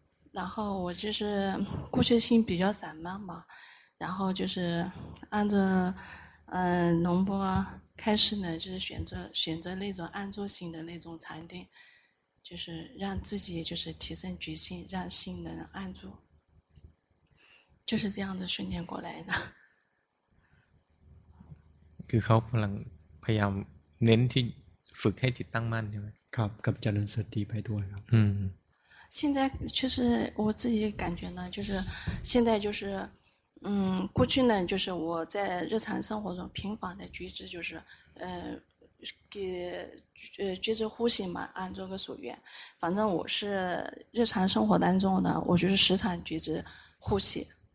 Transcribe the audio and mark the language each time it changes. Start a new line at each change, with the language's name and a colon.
Chinese: 然后我就是故事性比较散漫嘛，然后就是按着龙波开示呢，就是选择那种安住型的那种禅定，就是让自己就是提升觉性，让心能安住，就是这样子训练过来的。
Thai: คือเขาพลังพยายามเน้นที่ฝึกให้จิตตั้งมั่นใช่ไหม ครับกับเจริญสติไปด้วยครับ
Chinese: 现在其实我自己感觉呢，就是现在就是，过去呢，就是我在日常生活中频繁的觉知，就是，觉知呼吸嘛，按这个所愿，反正我是日常生活当中呢，我就是时常觉知呼吸。